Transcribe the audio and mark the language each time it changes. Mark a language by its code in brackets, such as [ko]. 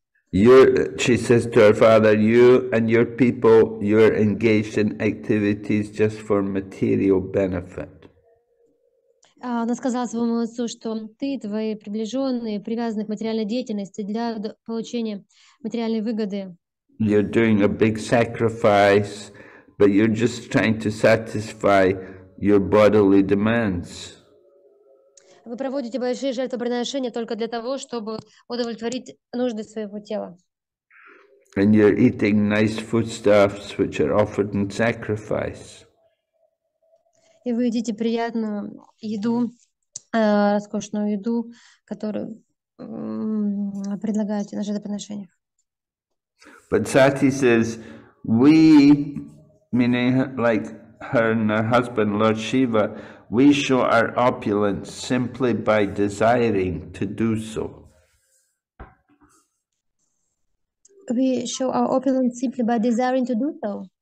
[en] You, she says to her father, you and your people, you're engaged in activities just for material benefit. [ru] Она сказала своему отцу, что ты и твои приближенные привязаны к материальной деятельности для получения материальной выгоды. [en] You're doing a big sacrifice, but you're just trying to satisfy your bodily demands. [ru] Вы проводите большие жертвоприношения только для того, чтобы удовлетворить нужды своего тела. [en] And you're eating nice foodstuffs, which are offered in sacrifice. [ru] И вы едите приятную еду, роскошную еду, которую предлагаете на жертвоприношениях. [en] But Sati says, we, meaning like her and her husband, Lord Shiva, we show our opulence simply by desiring to do so. We show our opulence simply by desiring to do so.